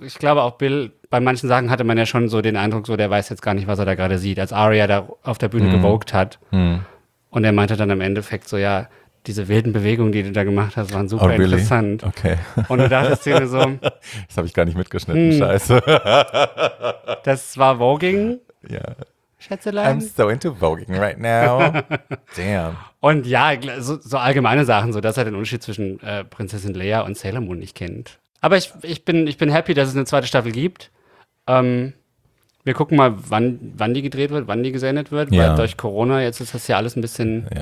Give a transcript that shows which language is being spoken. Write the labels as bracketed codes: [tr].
[de] Ich glaube auch, Bill, bei manchen Sachen hatte man ja schon so den Eindruck, so der weiß jetzt gar nicht, was er da gerade sieht, als Aria da auf der Bühne gewogt hat. Und er meinte dann im Endeffekt so, ja, diese wilden Bewegungen, die du da gemacht hast, waren super interessant. Okay. Und du dachtest dir so, das habe ich gar nicht mitgeschnitten, scheiße. Das war Voging. Ja. [en] Yeah. [de] Schätzelein. [en] I'm so into Voging right now. Damn. [de] Und ja, so allgemeine Sachen, so dass er den Unterschied zwischen Prinzessin Leia und Sailor Moon nicht kennt. Aber ich bin happy, dass es eine zweite Staffel gibt. Wir gucken mal, wann die gedreht wird, wann die gesendet wird. [en] Yeah. [de] Weil durch Corona jetzt ist das ja alles ein bisschen